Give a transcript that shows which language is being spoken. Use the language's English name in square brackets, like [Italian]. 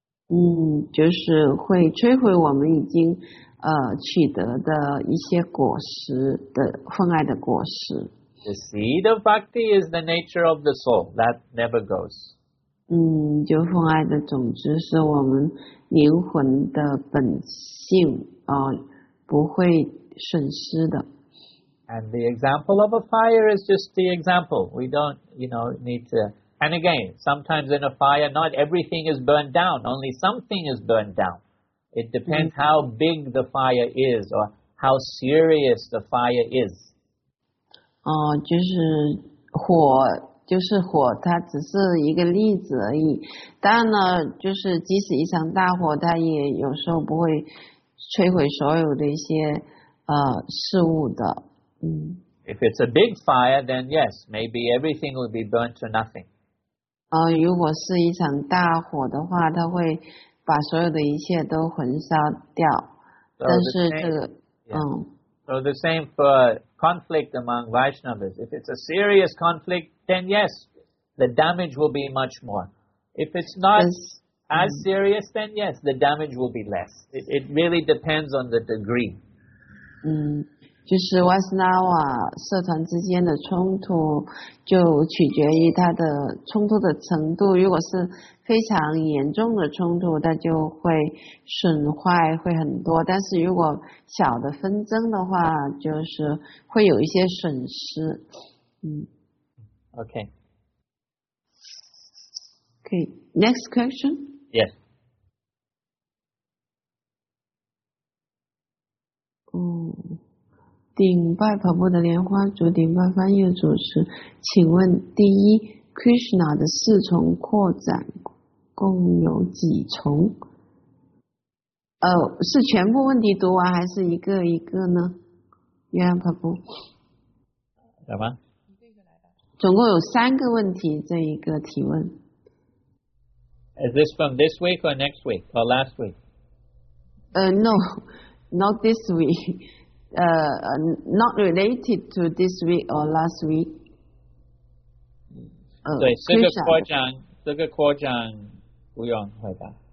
[Chinese] 就是会摧毁我们已经取得的一些果实的奉爱的果实。 [English] The seed of bhakti is the nature of the soul that never goes. [Chinese] 就奉爱的种子是我们灵魂的本性不会损失的。 [English] And the example of a fire is just the example. We don't, you know, need to. And again, sometimes in a fire, not everything is burned down. Only something is burned down. It depends how big the fire is or how serious the fire is. [Chinese] 就是火，就是火，它只是一个例子而已。当然呢，就是即使一场大火，它也有时候不会摧毁所有的一些事物的。 [English] If it's a big fire, then yes, maybe everything will be burnt to nothing. [Chinese] 如果是一场大火的话，它会把所有的一切都焚烧掉。但是这个 [English] So the same for conflict among Vaishnavas. If it's a serious conflict, then yes, the damage will be much more. If it's not as serious, then yes, the damage will be less. It really depends on the degree. [Chinese] 就是 Vaishnava 社团之间的冲突就取决于它的冲突的程度，如果是非常严重的冲突，它就会损坏会很多，但是如果小的纷争的话，就是会有一些损失。 [English] Okay. Okay, next question? Yes. [Chinese] 顶拜跑步的莲花主，顶拜翻译主持，请问第一 ，Krishna 的四重扩展共有几重？是全部问题读完，还是一个一个呢？原来跑步，来吧，总共有三个问题，这一个提问。 [English] Is this from this week or next week or last week? No, not this week. Not related to this week or last week. [Chinese] 对，这个扩展，这个扩展不用回答。